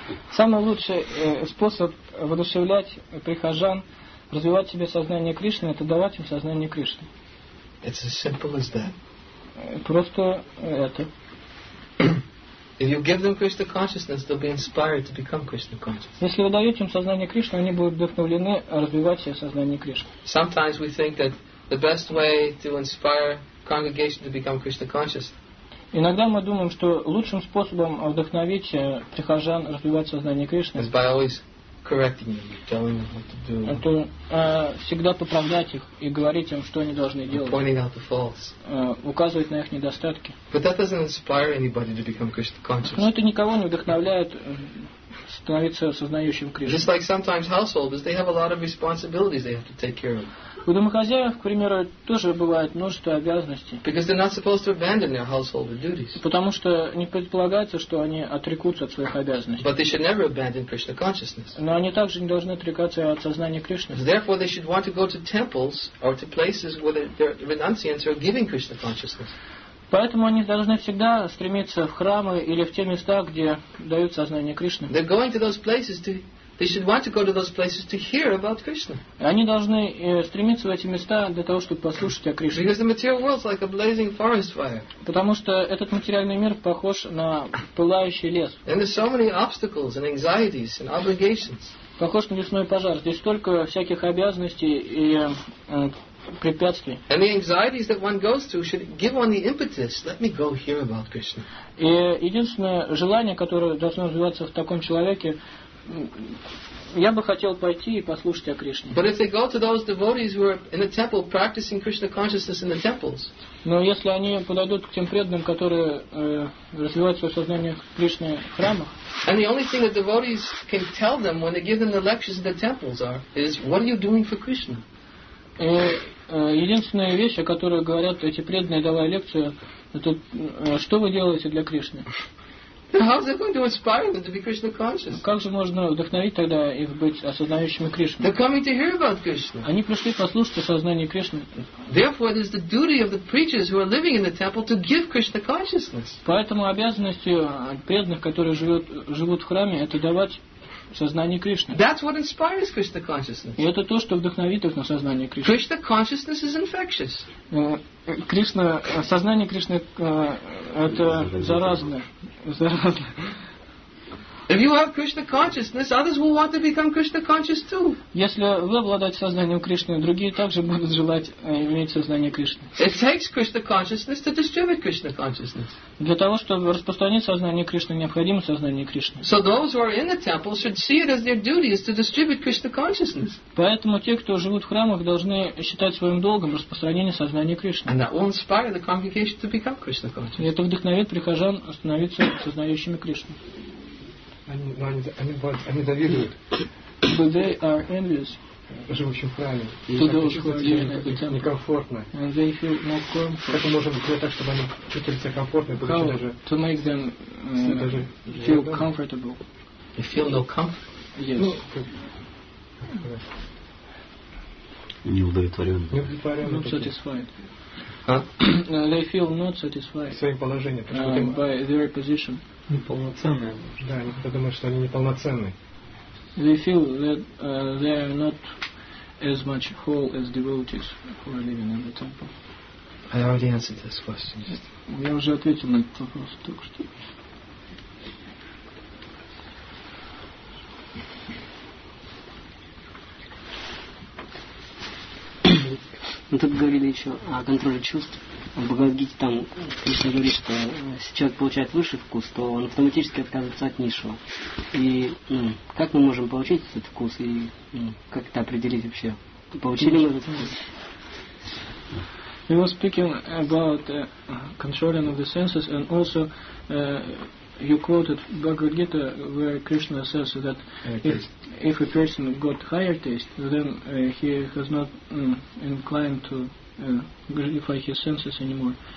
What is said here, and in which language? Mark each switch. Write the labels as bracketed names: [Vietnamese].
[Russian] Самый лучший способ воодушевлять прихожан развивать в себе сознание Кришны — это давать им сознание Кришны. [English] It's as simple as that. [Russian] Просто это. [English] If you give them Krishna consciousness, they'll be inspired to become Krishna conscious. [Russian] Если вы даете им сознание Кришны, они будут вдохновлены развивать себе сознание Кришны. [English] Sometimes we think that the best way to inspire congregation to become Krishna conscious. [Russian] Иногда мы думаем, что лучшим способом вдохновить прихожан развивать сознание Кришны — [English] is by always correcting them, telling them what to do. [Russian] Это всегда поправлять их и говорить им, что они должны делать. [English] Pointing out the faults. [Russian] Указывать на их недостатки. [English] But that doesn't inspire anybody to become Krishna conscious. [Russian] Но это никого не вдохновляет становиться сознающим Кришну. [English] Just like sometimes householders, they have a lot of responsibilities they have to take care of. [Russian] У домохозяев, к примеру, тоже бывает множество обязанностей. [English] Because they're not supposed to abandon their household duties. [Russian] Потому что не предполагается, что они отрекутся от своих обязанностей. [English] But they should never abandon Krishna consciousness. [Russian] Но они также не должны отрекаться от сознания Кришны. [English] Therefore, they should want to go to temples or to places where their renunciants are giving Krishna consciousness. [Russian] Поэтому они должны всегда стремиться в храмы или в те места, где дают сознание Кришны. [English] They're going to those places to They should want to go to those places to hear about Krishna. [Russian] Они должны стремиться в эти места для того, чтобы послушать о Кришне. [English] Because the material world is like a blazing forest fire. [Russian] Потому что этот материальный мир похож на пылающий лес. [English] And there's so many obstacles and anxieties and obligations. [Russian] Похож на лесной пожар. Здесь столько всяких обязанностей и препятствий. [English] And the anxieties that one goes through should give one the impetus. Let me go hear about Krishna. [Russian] И единственное желание, которое должно развиваться в таком человеке: я бы хотел пойти и послушать о Кришне. [English] But if they go to those devotees who are in the temple practicing Krishna consciousness in the temples. [Russian] Но если они подойдут к тем преданным, которые развивают свое сознание Кришны в храмах. [English] And the only thing that devotees can tell them when they give them the lectures in the temples are is what are you doing for Krishna? [Russian] Единственная вещь, о которой говорят эти преданные, давая лекцию, это что вы делаете для Кришны? [English] How is it going to inspire them to be Krishna conscious? [Russian] Как же можно вдохновить тогда их быть осознающими Кришну? [English] They're coming to hear about Krishna. [Russian] Они пришли послушать о сознании Кришны. [English] Therefore, it is the duty of the preachers who are living in the temple to give Krishna consciousness. [Russian] Поэтому обязанностью преданных, которые живут в храме, это давать сознание Кришны. [English] That's what inspires Krishna consciousness. [Russian] И это то, что вдохновит их на сознание Кришны. [English] Krishna consciousness is infectious. [Russian] Кришна, сознание Кришны это заразное. [English] If you have Krishna consciousness, others will want to become Krishna conscious too. [Russian] Если вы обладаете сознанием Кришны, другие также будут желать иметь сознание Кришны. [English] It takes Krishna consciousness to distribute Krishna consciousness. [Russian] Для того, чтобы распространить сознание Кришны, необходимо сознание Кришны. [English] So those who are in the temple should see it as their duty is to distribute Krishna consciousness. [Russian] Поэтому те, кто живут в храмах, должны считать своим долгом распространение сознания Кришны. [English] And that will inspire the congregation to become Krishna conscious. [Russian] И это вдохновит прихожан становиться сознающими Кришны. Они завидуют. [English] But they are envious. [Russian] Живущим в храме. [English] To those who are in the temple. [Russian] Некомфортно. [English] And they feel more comfortable. [Russian] Как мы можем сделать так, чтобы они чувствовали себя комфортно? [English] How to make them feel comfortable? They feel no comfort? Yes. [Russian] Неудовлетворенные. [English] Not satisfied. Huh? They feel not satisfied. [Russian] Своим положением. [English] By their position. [Russian] Неполноценные. Да, они думают, что они неполноценны. [English] They feel that they are not as much whole as devotees who are living in the temple. I already answered this question. [Russian] Я уже ответил на этот вопрос только что. Мы тут говорили еще о контроле чувств. В Бхагавад-гите там Кришна говорит, что если человек получает высший вкус, то он автоматически отказывается от низшего. И как мы можем получить этот вкус? И как это определить вообще? Получили мы этот вкус? [English] We were speaking about controlling of the senses and also you quoted Bhagavad Gita where Krishna says that if a person got higher taste, then he has not inclined to gratify his senses anymore.